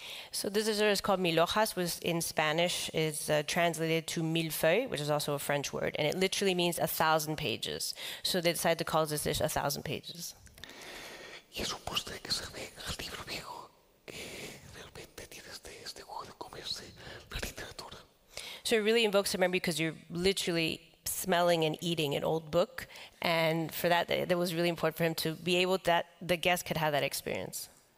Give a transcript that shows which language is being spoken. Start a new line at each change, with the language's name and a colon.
English: So this dessert is called mil hojas, which in Spanish is translated to mil feuilles, which is also a French word, and it literally means 1,000 pages. So they decided to call this dish 1,000 pages.
Spanish: Y es un postre que sabe al libro viejo, que realmente tiene este juego de comerse la literatura.
English: So So it really invokes a memory because you're literally smelling and eating an old book. And for that, that was really important for him to be able that the guest could have that experience.